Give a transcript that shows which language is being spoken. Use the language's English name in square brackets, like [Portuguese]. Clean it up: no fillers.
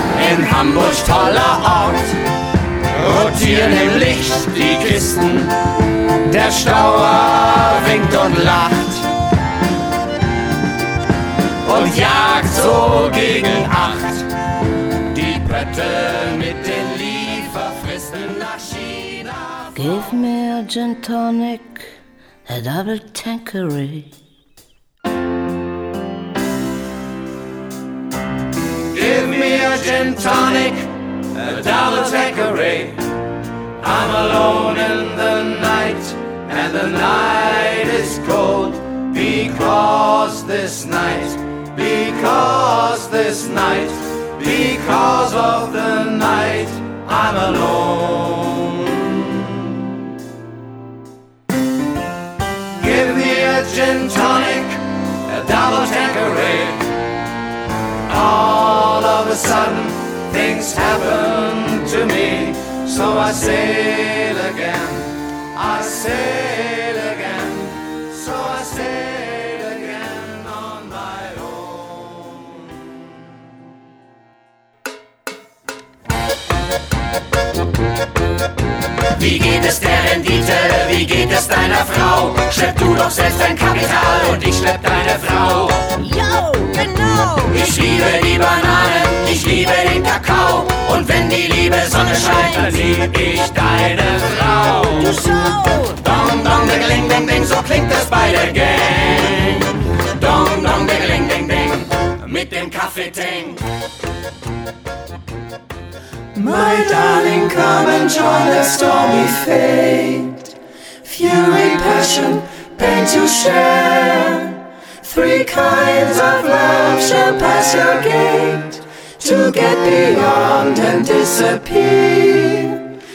[German] In Hamburg toller Ort, rotieren im Licht die Kisten. Der Stauer winkt und lacht und jagt so gegen acht die Pötte mit den Lieferfristen nach China. [English] Give me a gin tonic, a double tankery. Give me a gin tonic, a double tankery. I'm alone in the night, and the night is cold. Because this night, because this night, because of the night, I'm alone. Give me a gin tonic, a double tankeray. All of a sudden, things happen to me. So I sail again, I sail again, so I sail again on my own. [German] Wie geht es der Rendite, wie geht es deiner Frau? Schlepp du doch selbst dein Kapital und ich schlepp deine Frau. Yo, genau. Ich liebe die Bananen, ich liebe den Kakao. Und wenn die liebe Sonne scheint, dann lieb ich deine Frau. Du Sau! Dong, dong, dingling, ding, ding, so klingt es bei der Gang. Dong, dong, dingling, ding, ding, mit dem Kaffee-Ting. [English] My darling, come and join the stormy fate. Fury, passion, pain to share. Three kinds of love shall pass your gate. To get beyond and disappear.